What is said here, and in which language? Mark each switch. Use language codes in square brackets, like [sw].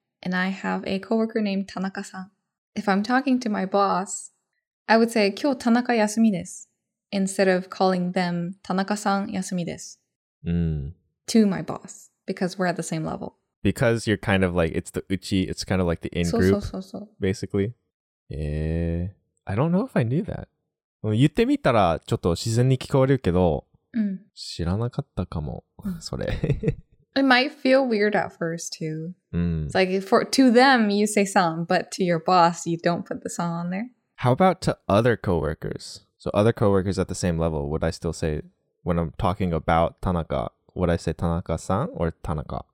[en] And I have a coworker named Tanaka-san. If I'm talking to my boss, I would say, [ja] 今日 Tanaka 休みです. [en] Instead of calling them, Tanaka-san [ja] 休みです. Mm. [en] To my boss. Because we're at the same level. Because you're kind of like, it's the uchi, it's kind of like the in-group. So. Basically. I don't know if I knew that. [ja] 言ってみたらちょっと自然に聞こえるけど、知らなかったかも、それ。 [en] It might feel weird at first, too. Mm. It's like, for, to them, you say san, but to your boss, you don't put the san on there. How about to other coworkers? So other coworkers at the same level, would I still say, when I'm talking about Tanaka, would I say Tanaka-san or Tanaka?